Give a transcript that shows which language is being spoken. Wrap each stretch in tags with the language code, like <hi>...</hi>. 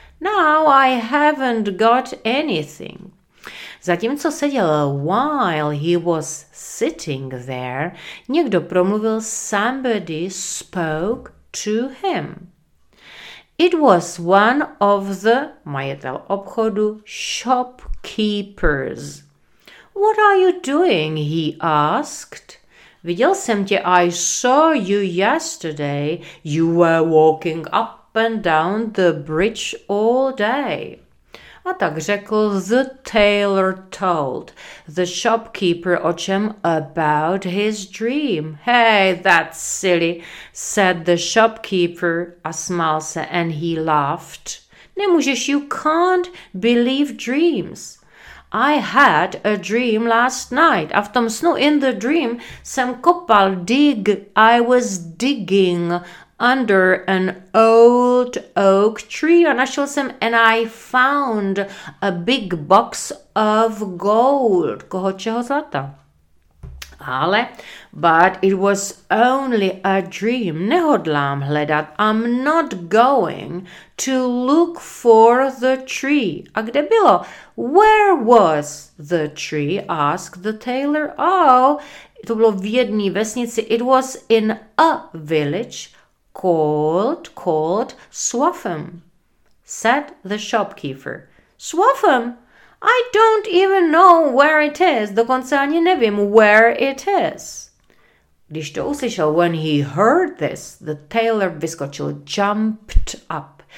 <en>Now I haven't got anything.</en> <cs>Zatímco seděl,</cs> <en>while he was sitting there,</en> <cs>někdo promluvil,</cs> <en>somebody spoke to him. It was one of the,</en> <cs>majitel obchodu,</cs> <en>shopkeepers. What are you doing? He asked.</en> <cs>Viděl jsem tě,</cs> <en>I saw you yesterday. You were walking up and down the bridge all day.</en> <cs>A tak řekl</cs> <en>the tailor told the shopkeeper</en> <cs>o čem</cs> <en>about his dream. Hey, that's silly, said the shopkeeper</en> <cs>a smál se</cs> <en>and he laughed.</en> <cs>Nemůžeš,</cs> <en>you can't believe dreams. I had a dream last night.</en> <cs>A v tom snu,</cs> <en>in the dream,</en> <cs>jsem kopal,</cs> <en>dig, I was digging under an old oak tree.</en> <cs>A našel jsem,</cs> <en>and I found a big box of gold.</en> <cs>Koho čeho zlata? Ale,</cs> <en>but it was only a dream.</en> <cs>Nehodlám hledat.</cs> <en>I'm not going to look for the tree.</en> <cs>A kde bylo?</cs> <en>Where was the tree? Asked the tailor.</en> <cs>Oh, to bylo v jedné vesnici.</cs> <en>It was in a village called Swaffham, said the shopkeeper. Swaffham? I don't even know where it is.</en> <cs>Dokonce ani nevím</cs> <en>where it is.</en> <cs>Když to uslyšel,</cs> <en>when he heard this, the tailor</en> <cs>vyskočil,</cs> <en>jumped up.</en>